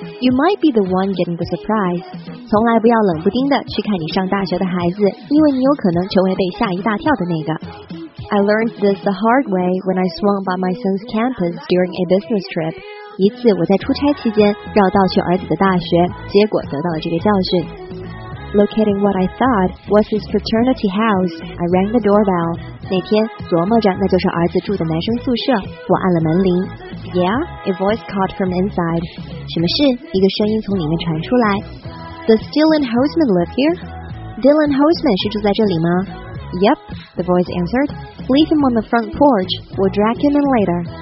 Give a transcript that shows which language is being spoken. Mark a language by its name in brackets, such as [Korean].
[English] You might be the one getting the surprise. [Chinese] 从来不要冷不丁的去看你上大学的孩子，因为你有可能成为被吓一大跳的那个。 [English] I learned this the hard way when I swung by my son's campus during a business trip. [Chinese] 一次我在出差期间绕道去儿子的大学，结果得到了这个教训。 [English] Locating what I thought was his fraternity house, I rang the doorbell. [Chinese] 那天琢磨着那就是儿子住的男生宿舍，我按了门铃。 [English] Yeah, a voice called from inside. [Chinese] 什么事？一个声音从里面传出来。 [English] Does Dylan Hoseman live here? Dylan Hoseman [Chinese] 是住在这里吗？ [English] Yep, the voice answered. Leave him on the front porch. We'll drag him in later.